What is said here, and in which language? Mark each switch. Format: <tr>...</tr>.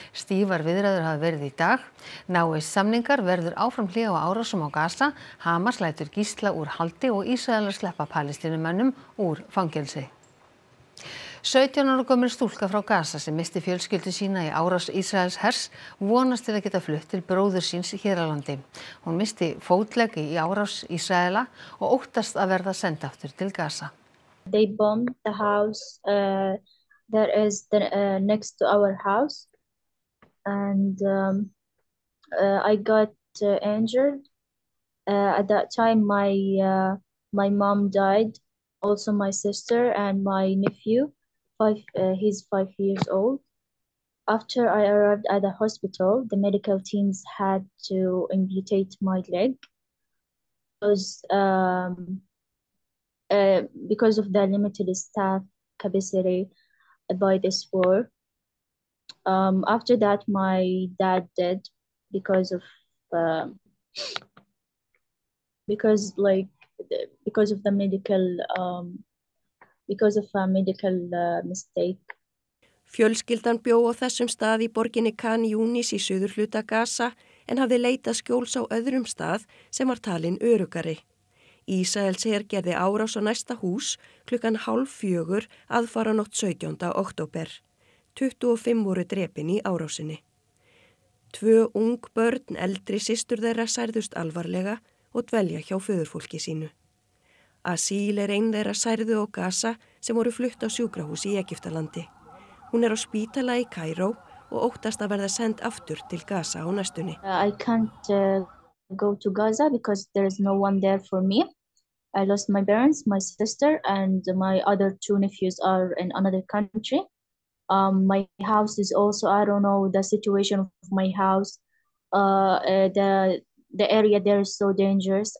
<is>Stífar viðræður hafa verið í dag. Náist samningar verður áfram hlé á árásum á Gaza, Hamas lætur gísla úr haldi og Ísrael sleppa palestínumönnum úr fangelsi. 17 ára gömul stúlka frá Gaza sem missti fjölskyldu sína í árás Ísraels hers vonast til að geta flutt til bróður síns hér á landi. Hún missti fótlegg í árás Ísraela og óttast að verða send aftur til Gaza.</is> <en>They bombed the house that is the, next to our house and I got injured. At that time my mom died, also my sister and my nephew. He's 5 years old. After I arrived at the hospital, the medical teams had to amputate my leg because of the limited staff capacity by this war. After that, my dad died because of a medical mistake.</en> <is>Fjölskyldan bjó á þessum stað í borginni Khan Yunis í suðurhluta Gaza en hafði leitað skjóls á öðrum stað sem var talin öruggari. Ísraels her gerði árás á næsta hús klukkan 3:30 aðfaranótt 17. október. 25 voru drepin í árásinni. Tvö ung börn eldri systur þeirra særðust alvarlega og dvelja hjá föðurfólki sínu. Asíl er ein þeirra særðu og Gaza sem voru flutt á sjúkrahús í Egyptalandi. Hún á spítala í Kairó og óttast að verða send aftur til Gaza á næstunni.</is> <en>I can't go to Gaza because there is no one there for me. I lost my parents, my sister and my other two nephews are in another country. My house is also, I don't know the situation of my house. The area there is so dangerous.</en>